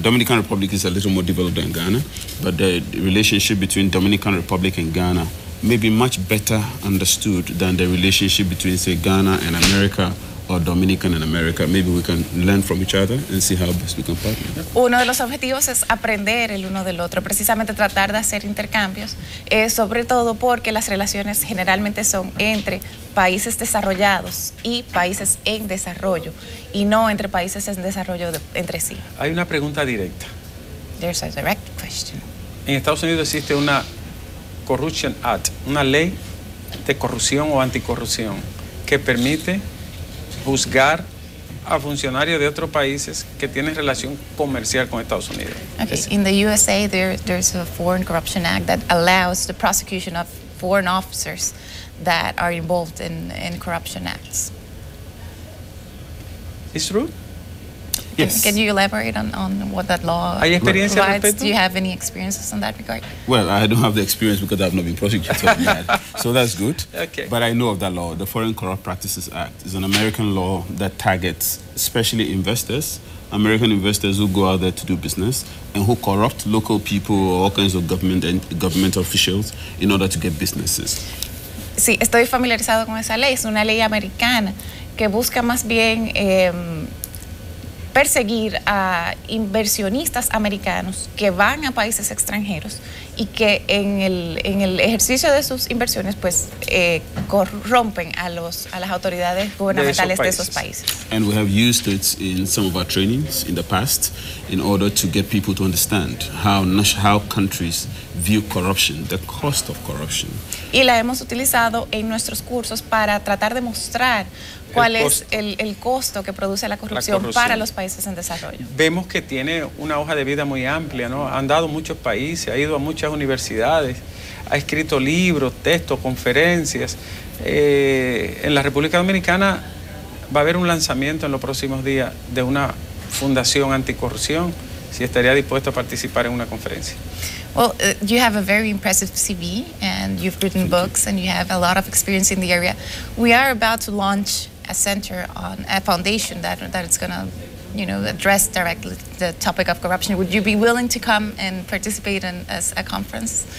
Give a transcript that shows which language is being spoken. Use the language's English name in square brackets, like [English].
[English] Dominican Republic is a little more developed than Ghana, but the relationship between Dominican Republic and Ghana may be much better understood than the relationship between, say, Ghana and America, or Dominican and America. Maybe we can learn from each other and see how best we can partner. [Spanish] Uno de los objetivos es aprender el uno del otro, precisamente tratar de hacer intercambios, sobre todo porque las relaciones generalmente son entre países desarrollados y países en desarrollo, y no entre países en desarrollo entre sí. Hay una pregunta directa. [English] There's a direct question. [Spanish] En Estados Unidos existe una Corruption Act, una ley de corrupción o anticorrupción que permite juzgar a funcionarios de otros países que tienen relación comercial con Estados Unidos. [English] Okay. In the USA, there's a Foreign Corruption Act that allows the prosecution of foreign officers that are involved in corruption acts. Is true? Yes. Can you elaborate on what that law [Spanish] ¿Hay experiencia [English] provides? [Spanish] Al respecto? [English] Do you have any experiences in that regard? Well, I don't have the experience because I've not been prosecuted yet. So that's good. Okay. But I know of that law. The Foreign Corrupt Practices Act is an American law that targets especially investors, American investors who go out there to do business and who corrupt local people, all kinds of government and government officials in order to get businesses. [Spanish] Sí, estoy familiarizado con esa ley. Es una ley americana que busca más bien perseguir a inversionistas americanos que van a países extranjeros y que en el ejercicio de sus inversiones pues corrompen a las autoridades gubernamentales de esos países. [English] And we have used it in some of our trainings in the past in order to get people to understand how countries view corruption, the cost of corruption. [Spanish] Y la hemos utilizado en nuestros cursos para tratar de mostrar cuál es el costo que produce la corrupción para los países en desarrollo. Vemos que tiene una hoja de vida muy amplia, ¿no? Ha andado a muchos países, ha ido a muchas universidades, ha escrito libros, textos, conferencias. En la República Dominicana va a haber un lanzamiento en los próximos días de una fundación anticorrupción, si estaría dispuesto a participar en una conferencia. [English] Well, you have a very impressive CV, and you've written books, and you have a lot of experience in the area. We are about to launch a center on a foundation that is going to, you know, address directly the topic of corruption. Would you be willing to come and participate in as a conference?